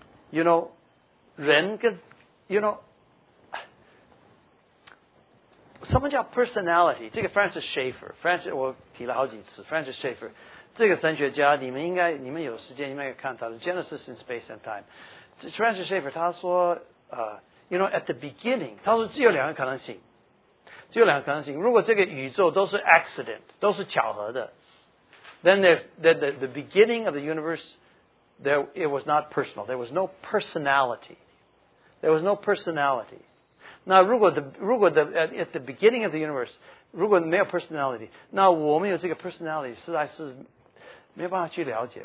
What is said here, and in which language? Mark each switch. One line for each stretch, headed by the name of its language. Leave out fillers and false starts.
Chinese: You know, 人跟 you know, 什么叫 personality? 这个 Francis Schaeffer, 我提了好几次 Francis Schaeffer, 这个神学家你们有时间应该看他的 Genesis in Space and Time. Francis Schaeffer 他说you know,
English: at the beginning,
Chinese: 他说只有两个可能性。只有两个可能性。如果这个宇宙都是 accident, 都是巧合的。
English: Then there's, the beginning of the universe, it was not personal. There was no personality. There was no personality.
Chinese: 那如果
English: at the beginning of the universe,
Chinese: 如果没有 personality, 那我们有这个 personality, 实在是没有办法去了解。